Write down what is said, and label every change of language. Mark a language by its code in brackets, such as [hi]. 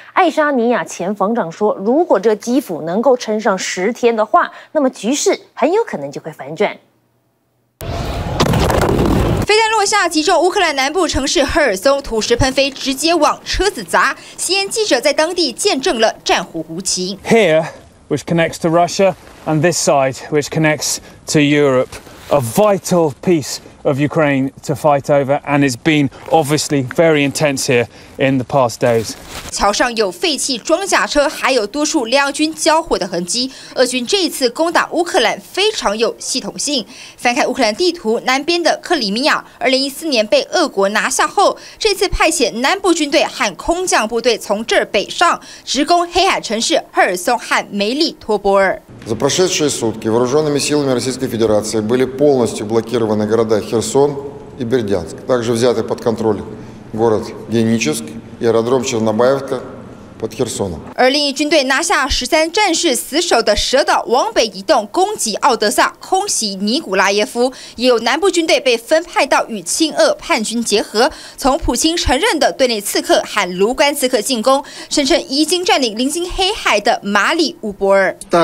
[zh] 爱沙尼亚前防长说，如果这基辅能够撑上10天的话，那么局势很有可能就会反转。飞弹落下，击中乌克兰南部城市赫尔松，土石喷飞，直接往车子砸。 CNN记者在当地见证了战火无情。 [en] Here, which connects to Russia, and this side, which connects to Europe, a vital piece of Ukraine to fight over, and it's been obviously very intense here in the past days. [zh] 桥上有废弃装甲车，还有多处两军交火的痕迹。俄军这一次攻打乌克兰非常有系统性。翻开乌克兰地图，南边的克里米亚，2014年被俄国拿下后，这次派遣南部军队和空降部队从这儿北上，直攻黑海城市赫尔松和梅利托波尔。 [ru] За прошедшие сутки вооруженными силами Российской Федерации были полностью блокированы города Херсон и Бердянск. Также взяты под контроль город Геническ и аэродром Чернобаевка под Херсоном. [zh] 而另一军队拿下13战士死守的蛇岛，往北移动攻击奥德萨，空袭尼古拉耶夫。也有南部军队被分派到与亲俄叛军结合，从普京承认的顿内茨克和卢甘茨克进攻，声称已经占领临近黑海的马里乌波尔。